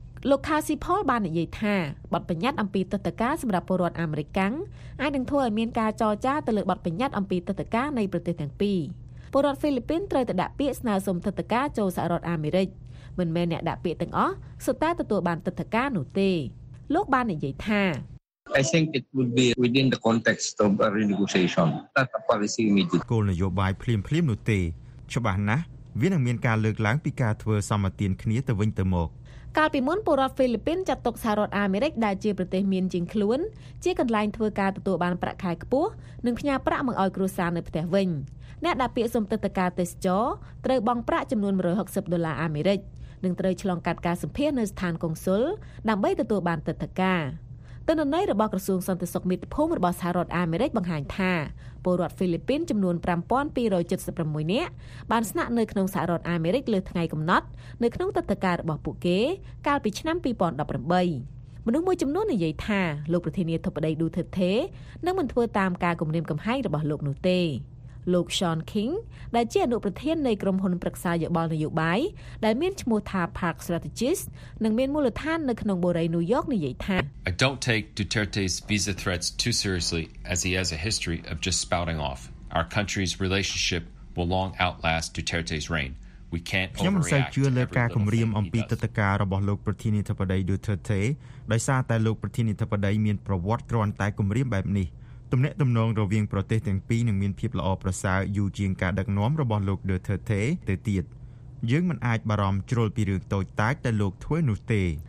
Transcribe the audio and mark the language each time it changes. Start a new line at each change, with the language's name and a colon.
Khmer: លោកខាស៊ីផលបាននិយាយថាបទបញ្ញត្តិអំពីទិដ្ឋាការសម្រាប់ពលរដ្ឋអាមេរិកអាចនឹងធ្វើឲ្យមានការចរចាទៅលើបទបញ្ញត្តិអំពីទិដ្ឋាការនៃប្រទេសទាំងពីរពលរដ្ឋហ្វីលីពីនត្រូវតែដាក់ពាក្យស្នើសុំទិដ្ឋាការចូលសហរដ្ឋអាមេរិកមិនមែនអ្នកដាក់ពាក្យទាំងអស់សុទ្ធតែទទួលបានទិដ្ឋាការនោះទេលោកបាននិយាយថា
English: I think it would be within the context of a renegotiation that a policy immediate
Khmer: គោលនយោបាយភ្លាមៗនោះទេច្បាស់ណាស់វានឹងមានការលើកឡើងពីការធ្វើសម្បទានគ្នាទៅវិញទៅមក កាលពីមុនពលរដ្ឋហ្វីលីពីនចាត់ទុកសហរដ្ឋអាមេរិកដែលជាប្រទេសមានជាងខ្លួនជាកន្លែងធ្វើការទទួលបានប្រាក់ខែខ្ពស់និងផ្ញើប្រាក់មកឲ្យគ្រួសារនៅផ្ទះវិញអ្នកដែលពាក្យសុំទិដ្ឋាការទេសចរត្រូវបង់ប្រាក់ចំនួន$160អាមេរិកនឹងត្រូវឆ្លងកាត់ការសម្ភាសន៍នៅស្ថានកុងស៊ុលដើម្បីទទួលបានទិដ្ឋាការ ទិន្នន័យរបស់ក្រសួងសន្តិសុខមាតុភូមិរបស់សហរដ្ឋអាមេរិកបង្ហាញថាពលរដ្ឋហ្វីលីពីនចំនួន 5,276 នាក់បានស្នាក់នៅក្នុងសហរដ្ឋអាមេរិកលើថ្ងៃកំណត់នៅក្នុងទិដ្ឋាការរបស់ពួកគេកាលពីឆ្នាំ 2018មនុស្សមួយចំនួននិយាយថាលោកប្រធានាធិបតីឌូទឺតេនឹងមិនធ្វើតាមការគំរាមកំហែងរបស់លោកនោះទេលោក Sean King ដែលជាអនុប្រធាននៃក្រុមហ៊ុនប្រឹក្សាយោបល់នយោបាយដែលមានឈ្មោះថា Park Strategies និងមានមូលដ្ឋាននៅក្នុងបូរីញូវយ៉កនិយាយថា
English: I don't take Duterte's visa threats too seriously as he has a history of just spouting off. Our country's relationship will long outlast Duterte's reign. We can't overreact.
Khmer: ខ្ញុំមិនសូវជឿលើការគំរាមអំពីទឹកដីរបស់លោកប្រធានាធិបតី Duterte ដោយសារតែលោកប្រធានាធិបតីមានប្រវត្តិគ្រាន់តែគំរាមបែបនេះទំនាក់ទំនងរវាងប្រទេសទាំងពីរនឹងមានភាពល្អប្រសើរយូរជាងការដឹកនាំរបស់លោកដឺធើទេទៅទៀតយើងមិនអាចបារម្ភជ្រុលពីរឿងតូចតាចដែលលោកធ្វើនោះទេ